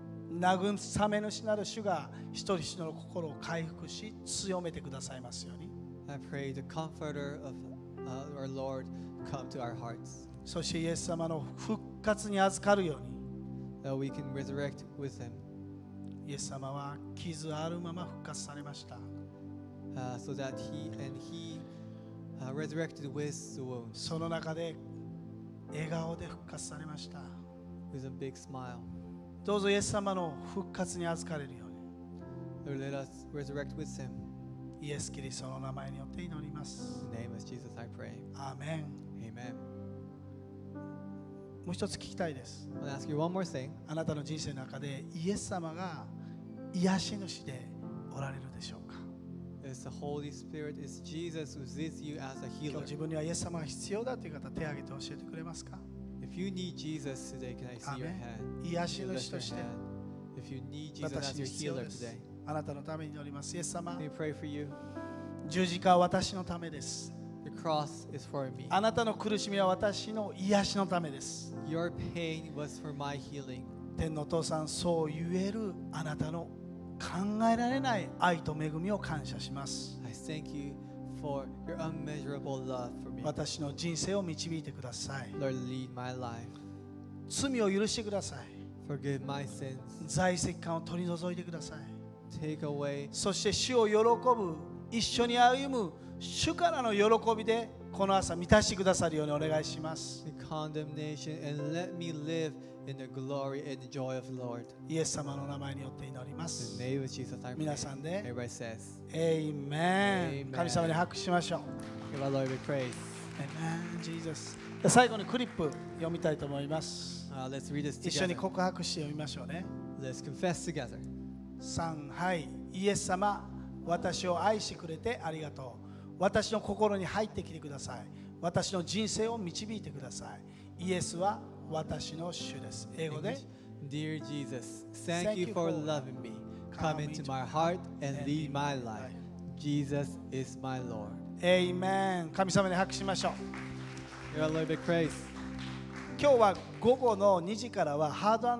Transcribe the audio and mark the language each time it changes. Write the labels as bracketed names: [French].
[Japanese] 慰め主なる主が一人一人の心を回復し強めてくださいますように。 [English] I pray the comforter of our Lord come to our hearts. [Japanese] そしてイエス様の復活に預かるように。 [English] That we can resurrect with him. [Japanese] イエス様は傷あるまま復活されました。 [English] So that he and he resurrected with the wounds. [Japanese] その中で笑顔で復活されました。 [English] With a big smile. [Japanese] どうぞイエス様の復活に預かれるように。 [English] Let us resurrect with him. [Japanese] イエス・キリストの名前によって祈ります。 [English] In the name of Jesus, I pray. [Japanese] アーメン。 [English] Amen. [Japanese] もう一つ聞きたいです。 [English] I want to ask you one more thing. [Japanese] あなたの人生の中でイエス様が癒し主でおられるでしょうか。 [English] Is the Holy Spirit is Jesus who sees you as a healer? [Japanese] 今日自分にはイエス様が必要だという方手を挙げて教えてくれますか。 [English] If you need Jesus today, can I see your hand? [Japanese] 癒し主として。 [English] If you need Jesus as your healer today. [Japanese] あなたのために祈ります。イエス様、 [English] We pray for you. [Japanese] 十字架は私のためです。 [English] The cross is for me. [Japanese] あなたの苦しみは私の癒しのためです。 [English] Your pain was for my healing. [Japanese] 天のお父さん、そう言えるあなたの考えられない愛と恵みを感謝します。 [English] I thank you for your unmeasurable love for me. [Japanese] 私の人生を導いてください。 [English] Lord, lead my life. [Japanese] 罪を許してください。 [English] Forgive my sins. [Japanese] 罪責感を取り除いてください。 [English] Take away. [Japanese] そして主を喜ぶ、一緒に歩む主からの喜びでこの朝満たしてくださるようにお願いします。 [English] The condemnation and let me live in the glory and the joy of the Lord. [Japanese] イエス様の名前によって祈ります。 [English] In the name of Jesus, I pray. [Japanese] 皆さんで [English] Everybody says. Amen. Amen. [Japanese] 神様に拍手しましょう。 [English] Give our Lord the praise. Amen. Jesus. [Japanese] 最後にクリップ読みたいと思います。 [English] Let's read this together. [Japanese] 一緒に告白して読みましょうね。 [English] Let's confess together. [Japanese] 三、はい、イエス様、私を愛してくれてありがとう。私の心に入ってきてください。私の人生を導いてください。イエスは私の主です。英語で、 [English] Dear Jesus, thank you for loving me. Come into my heart and lead my life. Jesus is my Lord. Amen. [Japanese] 神様に拍手しましょう。 [English] Your Lord be praised. [Japanese] 今日は午後の2時からはハード&